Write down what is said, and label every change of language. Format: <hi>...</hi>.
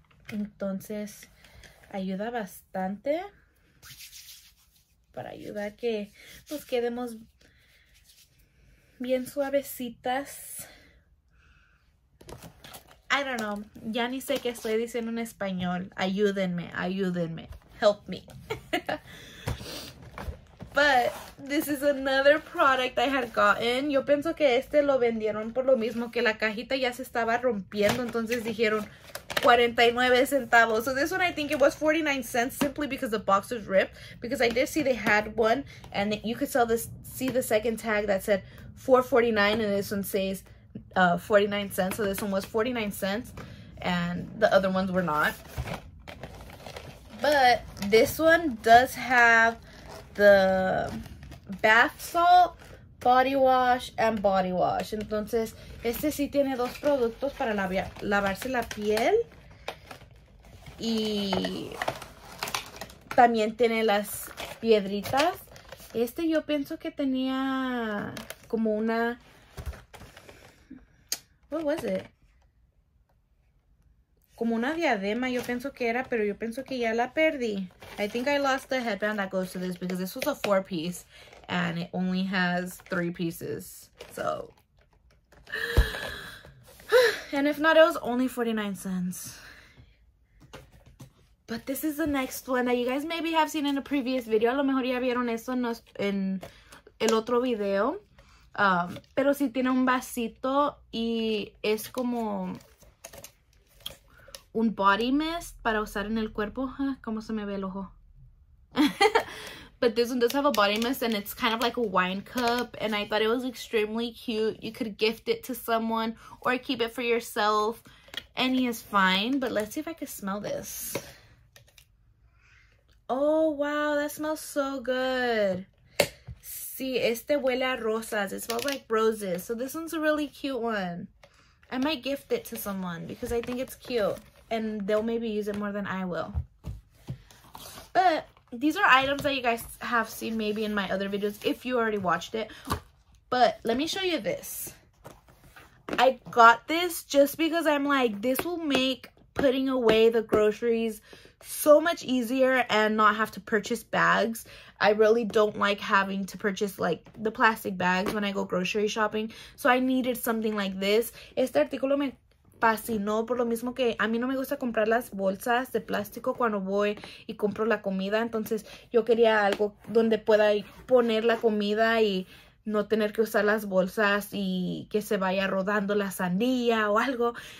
<es>Entonces, ayuda bastante para ayudar que nos quedemos bien suavecitas.</es> <en>I don't know.</en> <es>Ya ni sé qué estoy diciendo en español. Ayúdenme, ayúdenme.</es> <en>Help me. But this is another product I had gotten.</en> <es>Yo pienso que este lo vendieron por lo mismo que la cajita ya se estaba rompiendo. Entonces dijeron 49 centavos.</es> <en>So this one, I think it was 49 cents simply because the box was ripped. Because I did see they had one and you could sell this, see the second tag that said 4.49 and this one says 49 cents. So this one was 49 cents and the other ones were not. But this one does have the bath salt, body wash, and body wash.</en> <es>Entonces, este sí tiene dos productos para lavarse la piel. Y también tiene las piedritas. Este yo pienso que tenía como una,</es> <en>what was it?</en> <es>Como una diadema, yo pienso que era, pero yo pienso que ya la perdí.</es> <en>I think I lost the headband that goes to this because this was a 4-piece and it only has 3 pieces. So, and if not, it was only 49 cents. But this is the next one that you guys maybe have seen in a previous video.</en> <es>A lo mejor ya vieron eso en el otro video. Pero sí tiene un vasito y es como un body mist para usar en el cuerpo. ¿Cómo se me ve el ojo?</es> <en>But this one does have a body mist and it's kind of like a wine cup. And I thought it was extremely cute. You could gift it to someone or keep it for yourself. Any is fine. But let's see if I can smell this. Oh, wow. That smells so good.</en> <es>Sí, este huele a rosas.</es> <en>It smells like roses. So this one's a really cute one. I might gift it to someone because I think it's cute. And they'll maybe use it more than I will. But these are items that you guys have seen maybe in my other videos if you already watched it. But let me show you this. I got this just because I'm like, this will make putting away the groceries so much easier and not have to purchase bags. I really don't like having to purchase like the plastic bags when I go grocery shopping. So I needed something like this.</en> <es>Este artículo me fascinó por lo mismo que a mí no me gusta comprar las bolsas de plástico cuando voy y compro la comida. Entonces yo quería algo donde pueda poner la comida y no tener que usar las bolsas y que se vaya rodando la sandía o algo.</es>